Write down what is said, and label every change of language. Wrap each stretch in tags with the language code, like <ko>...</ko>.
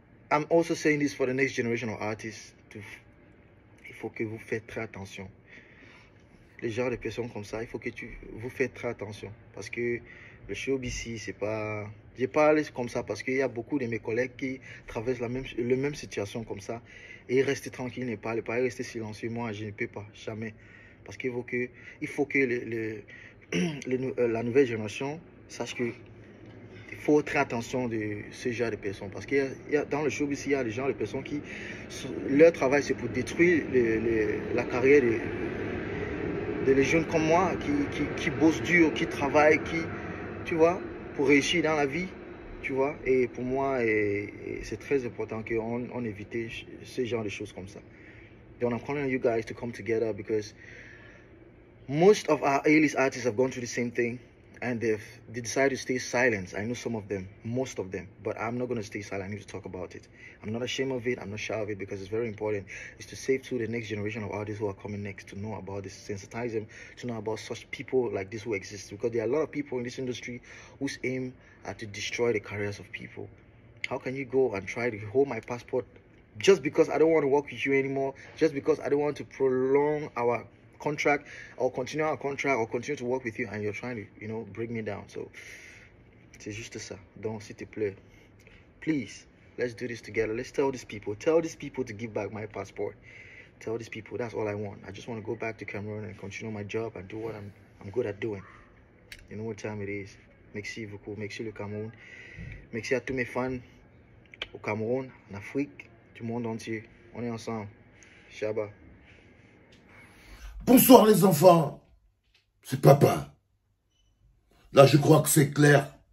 <en>I'm also saying this for the next generation of artists.</en> <fr>Il faut que vous faites très attention. Les genres de personnes comme ça, il faut que vous faites très attention. Parce que le show BC, c'est pas... Je parle comme ça parce qu'il y a beaucoup de mes collègues qui traversent la même situation comme ça. Et rester tranquille, ne parler pas, rester silencieux. Moi, je ne peux pas, jamais. Parce qu'il faut que, la nouvelle génération sache que faut être attention de ce genre de personnes. Parce que dans le showbiz, il y a des gens, les personnes qui, leur travail, c'est pour détruire la carrière des jeunes comme moi, qui bossent dur, qui travaillent, qui, tu vois, pour réussir dans la vie. Tu vois, et pour moi, c'est très important qu'on évite ce genre de choses comme ça.</fr> <en>Donc, I'm calling on you guys to come together because most of our A-list artists have gone through the same thing and they decided to stay silent. I know some of them, most of them, but I'm not going to stay silent. I need to talk about it. I'm not ashamed of it. I'm not shy of it because it's very important. It's to save to the next generation of artists who are coming next to know about this, sensitize them to know about such people like this who exist, because there are a lot of people in this industry whose aim are to destroy the careers of people. How can you go and try to hold my passport just because I don't want to work with you anymore, just because I don't want to prolong our contract or continue our contract or continue to work with you, and you're trying to, you know, bring me down?</en> <fr>So c'est juste ça. Donc s'il te plaît,</fr> <en>please, let's do this together. Let's tell these people to give back my passport. Tell these people, that's all I want. I just want to go back to Cameroon and continue my job and do what I'm good at doing. You know what time it is.</en> <fr>Merci beaucoup, merci le Cameroun. Merci à tous mes fans au Cameroun, en Afrique, du monde entier. On est ensemble. Shaba. Bonsoir les enfants. C'est papa. Là, je crois que c'est clair.</fr>